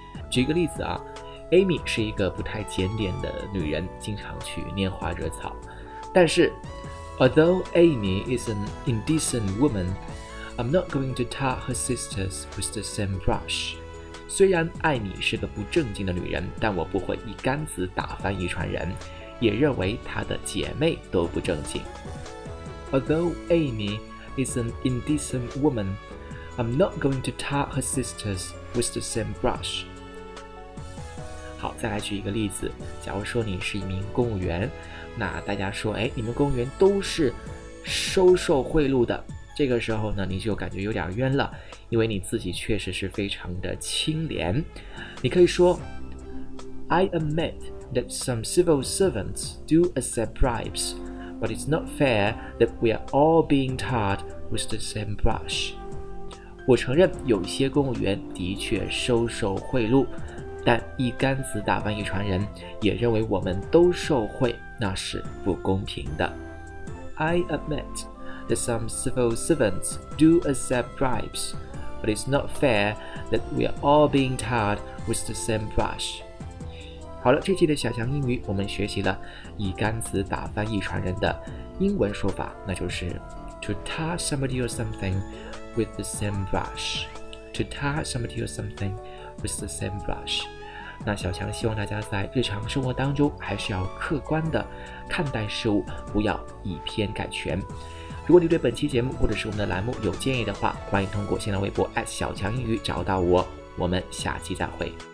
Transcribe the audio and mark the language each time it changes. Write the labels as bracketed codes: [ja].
[zh] 举个例子啊， Amy 是一个不太检点的女人，经常去拈花惹草，但是 [en] Although Amy is an indecent woman, I'm not going to tar her sisters with the same brush. [zh] 虽然艾米是个不正经的女人，但我不会一竿子打翻一船人，也认为她的姐妹都不正经。 [en] Although Amy is an indecent woman, I'm not going to tar her sisters with the same brush. [zh] 好，再来举一个例子，假如说你是一名公务员，那大家说，哎，你们公务员都是收受贿赂的，这个时候呢你就感觉有点冤了，因为你自己确实是非常的清廉。你可以说 [en] I admit that some civil servants do accept bribes, but it's not fair that we are all being tarred with the same brush. [zh] 我承认有些公务员的确收受贿赂，但一竿子打翻一船人，也认为我们都受贿，那是不公平的。 [en] I admit that some civil servants do accept bribes, but it's not fair that we are all being tarred with the same brush. [zh] 好了，这期的小强英语我们学习了一竿子打翻一船人的英文说法，那就是 [en] to tar somebody or something with the same brush. To tar somebody or something with the same brush. [zh] 那小强希望大家在日常生活当中还是要客观的看待事物，不要以偏概全。如果你对本期节目或者是我们的栏目有建议的话，欢迎通过新浪微博@小强英语找到我。我们下期再会。